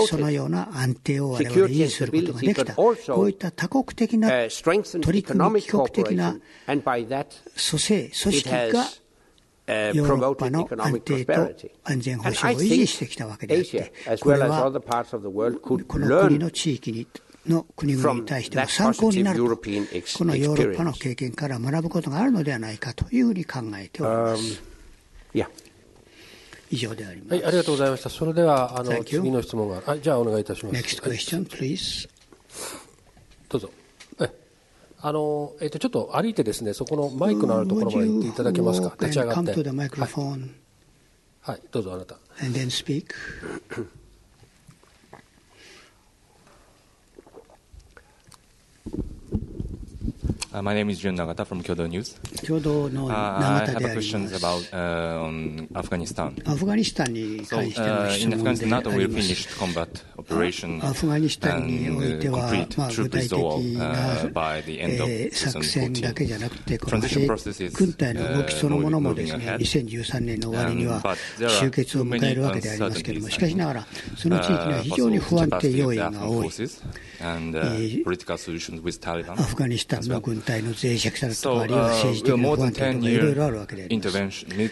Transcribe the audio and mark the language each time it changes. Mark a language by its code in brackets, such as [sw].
[en] security and stability, but also strengthened economic cooperation, and by that it has promoted economic prosperity. And I think Asia, as well as other parts of the world, could learn [ja] の国々に対しても参考になるとこのヨーロッパの経験から学ぶことがあるのではないかというふうに考えております。以上であります。はい、ありがとうございました。それでは次の質問が、はい、じゃあお願いいたします。 [en] Next question, please. [ja] どうぞ。ちょっと歩いてですね、そこのマイクのあるところまで行っていただけますか。立ち上がって。はい、はい、どうぞあなた。 [en] And then speak. My name is Jun Nagata from Kyodo News. Kyodo no Nagata. I have a question about Afghanistan. [ja] Afghanistan に関しての質問であります。 [en] In Afghanistan, NATO will finish combat operation and complete troop withdrawal by the end of 2014. [ja] 作戦だけじゃなくて、この軍隊の動きそのものもですね、2013年の終わりには終結を迎えるわけでありますけれども、しかしながらその地域には非常に不安定要因が多い。 [en] And political solutions with Taliban. [ja] アフガニスタンの軍隊の脆弱さだとか、あるいは政治的な不安定とかいろいろあるわけであります。